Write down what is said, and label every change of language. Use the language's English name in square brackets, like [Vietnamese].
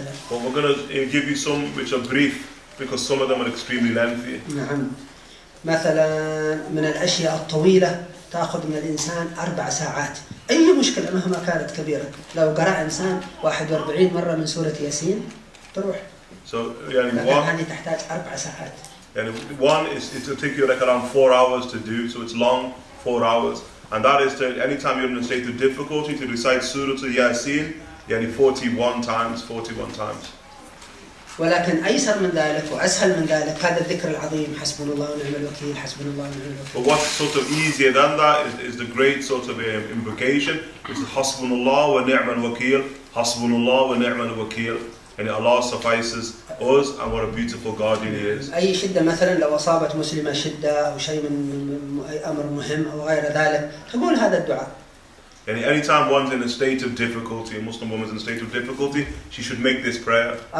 [English] But we're going to give you some which are brief, because some of them are extremely lengthy. [Arabic] تأخذ من الإنسان أربع ساعات أي مشكلة مهما كانت كبيرة لو قرأ إنسان 41 مرة من سورة ياسين تروح. [English] So [Arabic] يعني هني تحتاج أربع ساعات. يعني [English] one is it will take you like around 4 hours to do, so it's long 4 hours, and that is to anytime you're in a state of difficulty to recite [Arabic] سورة ياسين يعني [English] 41 times. [Arabic] ولكن أيسر من ذلك وأسهل من ذلك هذا الذكر العظيم حسبنا الله ونعم الوكيل حسبنا الله ونعم الوكيل. [English] But what's sort of easier than that is the great sort of invocation, which is [Arabic] حسبنا الله ونعم الوكيل [English] حسبنا الله ونعم الوكيل. And Allah suffices us, and what a beautiful God He is. [Arabic] أي شدة مثلا لو أصابت مسلمة شدة أو شيء من أي أمر مهم أو غير ذلك تقول هذا الدعاء. [English] And anytime one's in a state of difficulty, a Muslim woman's in a state of difficulty, she should make this prayer.